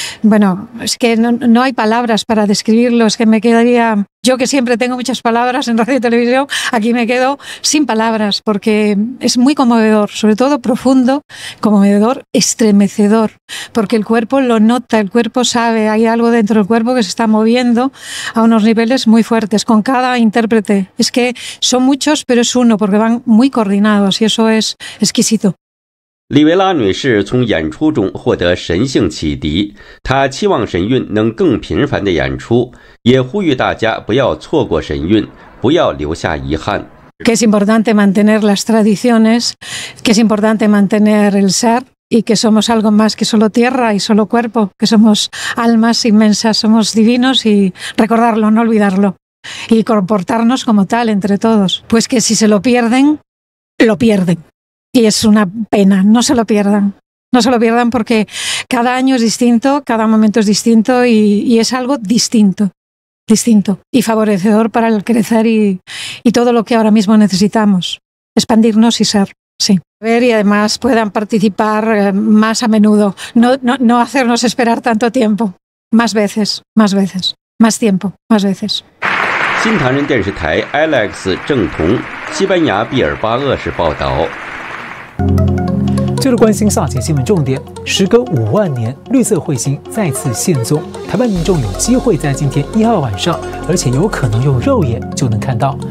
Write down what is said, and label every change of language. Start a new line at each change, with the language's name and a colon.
Spanish: bueno, es que no hay palabras para describirlo, es que me quedaría, yo que siempre tengo muchas palabras en radio y televisión, aquí me quedo sin palabras, porque es muy conmovedor, sobre todo profundo, conmovedor, estremecedor, porque el cuerpo lo nota, el cuerpo sabe, hay algo dentro del cuerpo que se está moviendo a unos niveles muy fuertes, con cada intérprete, es que... Son muchos, pero es uno, porque van muy coordinados, y eso es exquisito.
Chinese: 李维拉女士从演出中获得神性启迪，她期望神韵能更频繁的演出，也呼吁大家不要错过神韵，不要留下遗憾。
Spanish: Que es importante mantener las tradiciones, que es importante mantener el ser, y que somos algo más que solo tierra y solo cuerpo, que somos almas inmensas, somos divinos, y recordarlo, no olvidarlo. Y comportarnos como tal entre todos. Pues que si se lo pierden, lo pierden. Y es una pena, no se lo pierdan. No se lo pierdan porque cada año es distinto, cada momento es distinto y es algo distinto. Distinto y favorecedor para el crecer y todo lo que ahora mismo necesitamos. Expandirnos y ser, sí. Ver y además puedan participar más a menudo. No hacernos esperar tanto tiempo. Más veces, más veces, más tiempo, más veces.
Chinese: 新唐人电视台 Alex 郑彤，西班牙毕尔巴鄂市报道。接着关心下节新闻重点，时隔五万年，绿色彗星再次现踪，台湾民众有机会在今天一号晚上，而且有可能用肉眼就能看到。